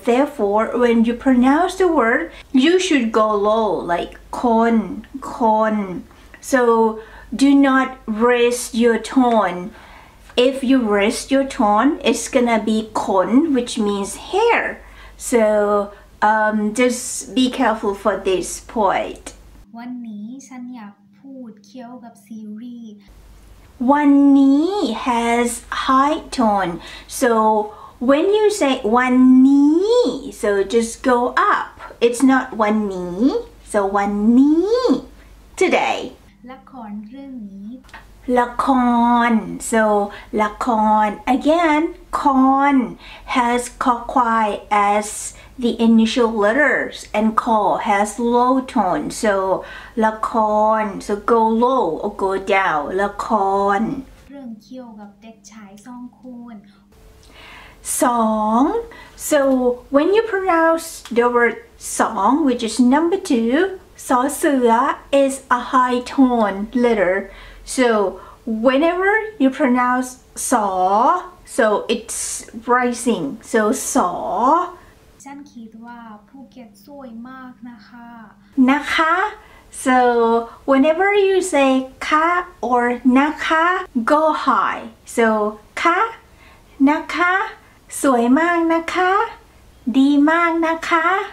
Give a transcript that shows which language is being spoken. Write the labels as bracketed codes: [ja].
[en] Therefore, when you pronounce the word, you should go low, like คน. So do not raise your tone. If you raise your tone, it's gonna be คน, which means hair. So, just be careful for this point. [th] วันนี้ฉันอยากพูดเกี่ยวกับซีรีส์ [en] วันนี้ has high tone. So, when you say วันนี้ so just go up. It's not วันนี้ so วันนี้ today. [th] ละครเรื่องนี้ [en] ละคร so ละคร again คร has คควาย as the initial letters and คร has low tone so ละคร so go low or go down ละคร [th] เรื่องเกี่ยวกับเด็กชาย2คน [en] 2 so when you pronounce the word 2 which is number 2 สเสือ is a high tone letter soWhenever you pronounce saw, so it's rising. So saw. [th] ฉันคิดว่าภูเก็ตสวยมากนะคะ [en] นะคะ So whenever you say คะ or นะคะ go high. [th] So คะนะคะสวยมากนะคะดีมากนะคะ